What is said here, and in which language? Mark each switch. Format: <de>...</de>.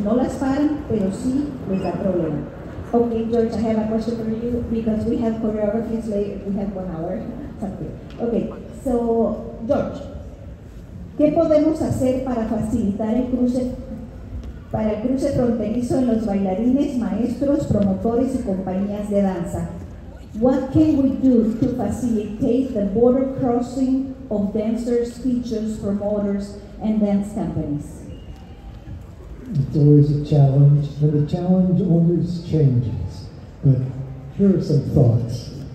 <es>No las paran, pero sí les da problema.</es> <en>Okay, George, I have a question for you because we have choreographies late. We have 1 hour.</en> <es>Okay, so George, ¿qué podemos hacer para facilitar el cruce fronterizo en los bailarines, maestros, promotores y compañías de danza?</es> <en>What can we do to facilitate the border crossing of dancers, teachers, promoters, and dance companies? It's always a challenge, but the challenge always changes. But here are some thoughts.</en>